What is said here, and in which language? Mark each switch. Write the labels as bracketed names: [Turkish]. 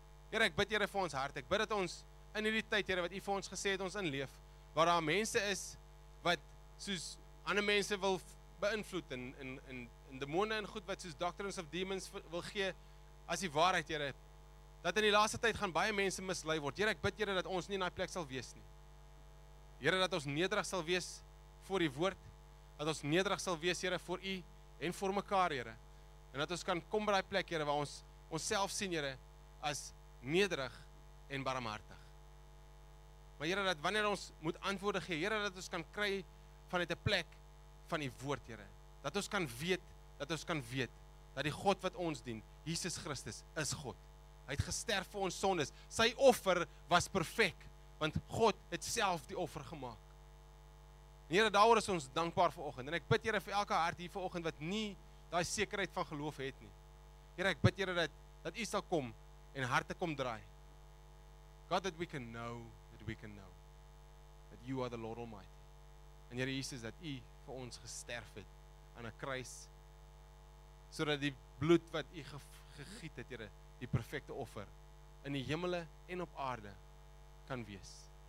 [Afrikaans] Here, ek bid, Here, vir ons hart. Ek bid dat ons in hierdie tyd, Here, wat u vir ons gesê het ons inleef, waar daar mense is wat soos ander mense wil beïnvloed in demone en goed wat soos doctrines of demons wil gee as die waarheid, Here, dat in die laaste tyd gaan baie mense mislei word. Here, ek bid, Here, dat ons nie in daai plek sal wees nie. Here, dat ons nederig sal wees voor die woord, dat ons nederig sal wees, Here, voor u en voor mekaar, Here. En dat ons kan kom by daai plek, Here, waar ons onsself sien, Here, as nederig en barmhartig. Maar Here, dat wanneer ons moet antwoorde gee, Here, dat ons kan kry vanuit 'n plek van die woord, Here. Dat ons kan weet, dat ons kan weet, dat die God wat ons dien, Jesus Christus, is God. Hy het gesterf vir ons sondes. Sy offer was perfek, want God het self die offer gemaak. Here, daaroor is ons dankbaar vanoggend. En ek bid, Here, vir elke hart hier vanoggend wat nie daai sekerheid van geloof het nie. Here, ek bid, Here, dat U sal kom en harte kom draai. [English] God, that we can know, that we can know, that You are the Lord Almighty. [Afrikaans] En Here Jesus, dat U vir ons gesterf het aan 'n kruis, sodat die bloed wat U gegiet het, Here, die perfekte offer in die hemele en op aarde kan wees.